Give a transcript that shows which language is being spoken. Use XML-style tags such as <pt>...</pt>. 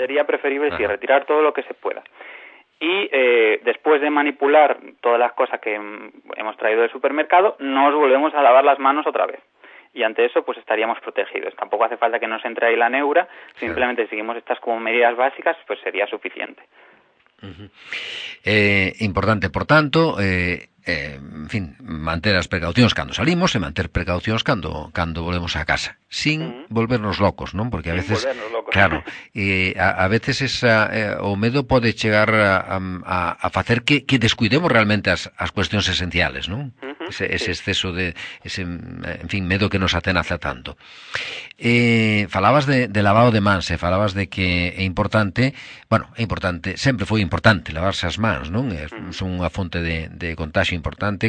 <es>Sería preferible, ajá, sí, retirar todo lo que se pueda. Y después de manipular todas las cosas que hemos traído del supermercado, nos volvemos a lavar las manos otra vez. Y ante eso, pues estaríamos protegidos. Tampoco hace falta que nos entre ahí la neura, simplemente, claro, seguimos estas como medidas básicas, pues sería suficiente. Uh-huh.</es> <gl>Importante, por tanto, en fin, manter as precaucións cando salimos e manter precaucións cando volvemos a casa, sin uh-huh. volvernos locos, non? Porque a veces, claro, a veces o medo pode chegar a facer que descuidemos realmente as cuestións esenciales, non? Uh-huh. ese exceso de ese, en fin, medo que nos atenaza tanto. Falabas de lavado de mans, falabas de que é importante, bueno, é importante, sempre foi importante lavarse as mans, non? Son unha fonte de contagio importante.</gl>